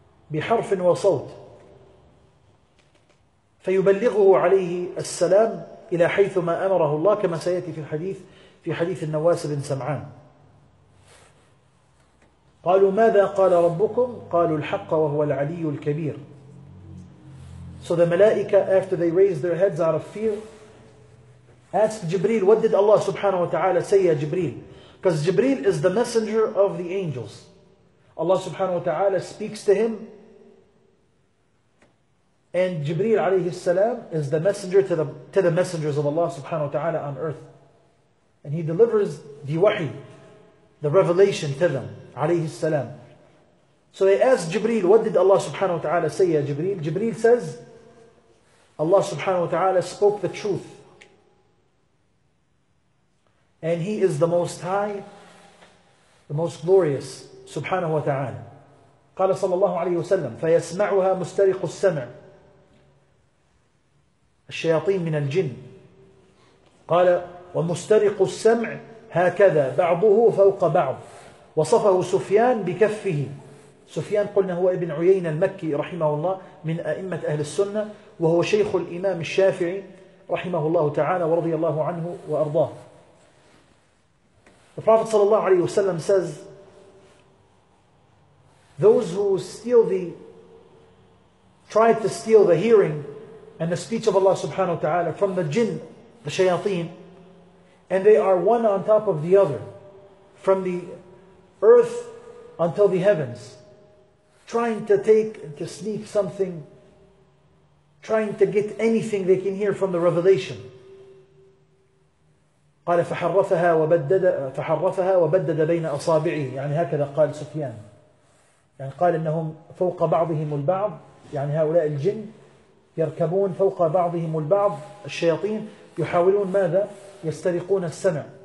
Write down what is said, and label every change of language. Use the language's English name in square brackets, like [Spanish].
[Arabic] بحرف وصوت فيبلغه عليه السلام إلى حيث ما أمره الله كما سيأتي في الحديث في حديث النواس بن سمعان. قالوا ماذا قال ربكم؟ قالوا الحق وهو العلي الكبير. [English] So the malaika, after they raised their heads out of fear, asked Jibreel, what did Allah subhanahu wa ta'ala say, Jibreel? Because Jibreel is the messenger of the angels. Allah subhanahu wa ta'ala speaks to him, and Jibreel alayhi salam is the messenger to the messengers of Allah subhanahu wa ta'ala on earth. And he delivers the wahi, the revelation to them, alayhi salam. So they asked Jibreel, what did Allah subhanahu wa ta'ala say, ya Jibreel? Jibreel says, Allah subhanahu wa ta'ala spoke the truth. And he is the most high, the most glorious, subhanahu wa ta'ala. [Arabic] Qala sallallahu alayhi wa sallam, فَيَسْمَعُهَا مُسْتَرِقُ السَّمْعِ الشياطين من الجن. قال ومسترق السمع هكذا بعضه فوق بعض. وصفه سفيان بكفه. سفيان قلنا هو ابن عيينة المكي رحمه الله من أئمة أهل السنة, وهو شيخ الإمام الشافعي رحمه الله تعالى ورضي الله عنه وأرضاه. [English] The Prophet [Arabic] صلى الله عليه وسلم [English] says, those who tried to steal the hearing and the speech of Allah subhanahu wa ta'ala from the jinn, the shayateen, and they are one on top of the other, from the earth until the heavens, trying to take and to sneak something, trying to get anything they can hear from the revelation. [Arabic] قال فحرفها وبدد بين أصابعه, يعني هكذا قال سفيان, يعني قال إنهم فوق بعضهم البعض, يعني هؤلاء الجن يركبون فوق بعضهم البعض الشياطين يحاولون ماذا؟ يسترقون السمع.